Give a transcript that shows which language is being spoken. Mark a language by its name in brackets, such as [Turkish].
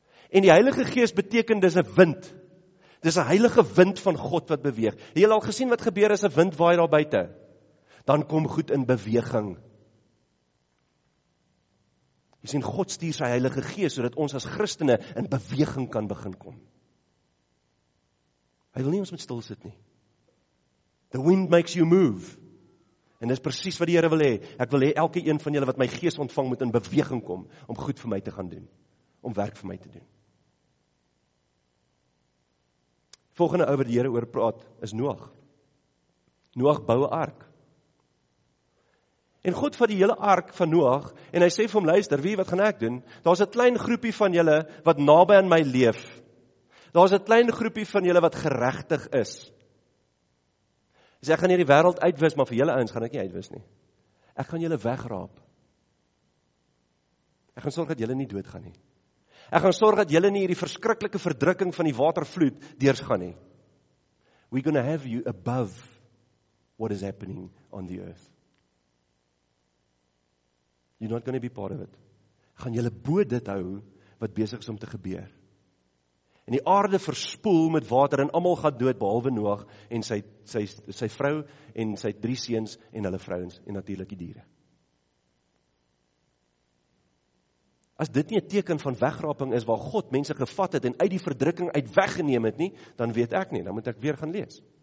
[Afrikaans] En die Heilige Gees beteken dis 'n wind. Dis 'n heilige wind van God wat beweeg. Het jy al gesien wat gebeur as 'n wind waai daar buite? Dan kom goed in beweging. Jy sien, God stuur sy Heilige Gees sodat ons as Christene in beweging kan begin kom. Hy wil nie ons met stil sit nie. [English] The wind makes you move. [Afrikaans] En dis presies wat die Here wil hê. Ek wil hê elke een van julle wat my gees ontvang moet in beweging kom om goed vir my te gaan doen, om werk vir my te doen. Volgende ou wat die Here oor praat is Noag. Noag bou 'n ark. En God vat die hele ark van Noag en hy sê vir hom, luister, weet jy wat gaan ek doen? Daar's 'n klein groepie van julle wat naby aan my leef. Daar's 'n klein groepie van julle wat geregtig is. Sê, ek gaan hierdie wêreld uitwis, maar vir julle ouens gaan ek nie uitwis nie. Ek gaan julle wegraap. Ek gaan sorg dat julle nie doodgaan nie. Ek gaan sorg dat julle nie hierdie verskriklike verdrukking van die watervloed deurs gaan nie. [English] We're going to have you above what is happening on the earth. You're not going to be part of it. [Afrikaans] Gaan julle bo dit hou wat besig is om te gebeur. En die aarde verspoel met water en almal gaan dood behalwe Noag en sy vrou en sy drie seuns en hulle vrouens en natuurlik die diere. As dit nie 'n teken van wegraping is waar God mense gevat het en uit die verdrukking uit weggeneem het nie, dan weet ek nie, dan moet ek weer gaan lees.